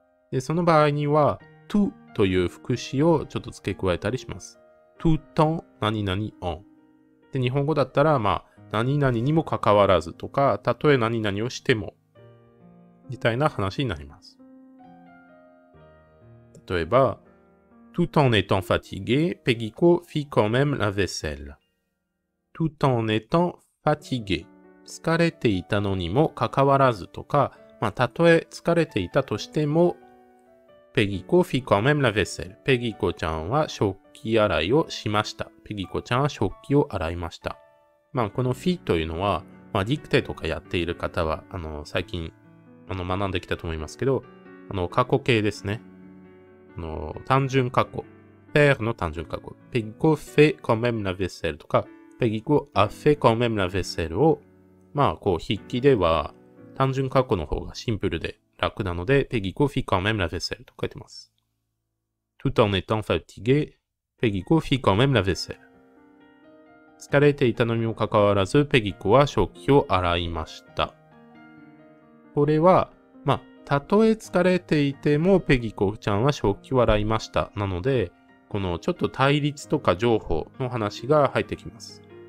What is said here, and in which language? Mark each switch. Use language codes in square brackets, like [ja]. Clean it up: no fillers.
[ja] で、その場合には、to という副詞をちょっと付け加えたりします。 tout en 何々 en で日本語だったら、まあ、何々にもかかわらずとか、たとえ何々をしても、みたいな話になります。 [fr] 例えば、tout en étant fatigué, Peggyco fit quand même la vaisselle. tout en étant fatigué, [ja] 疲れていたのにもかかわらずとか、まあ、たとえ疲れていたとしても、ペギコ [fr] fit quand même la vaisselle. [ja] ペギコちゃんは食器洗いをしました。ペギコちゃんは食器を洗いました。まあ、この fit というのは、まあ、ディクテとかやっている方は、あの、最近、あの、学んできたと思いますけど、あの、過去形ですね。あの、単純過去。 faire の単純過去。ペギコ [fr] fait quand même la vaisselle [ja] とか、ペギコ [fr] a fait quand même la vaisselle [ja] を、まあ、こう、筆記では、単純過去の方がシンプルで、楽なので、ペギコ [fr] fit quand même la vaisselle [ja] と書いてます。 [fr] tout en étant fatigué, ペギコ fit quand même la vaisselle. [ja] 疲れていたのにもかかわらず、ペギコは食器を洗いました。これは、まあ、たとえ疲れていても、ペギコちゃんは食器を洗いました。なので、このちょっと対立とか情報の話が入ってきます。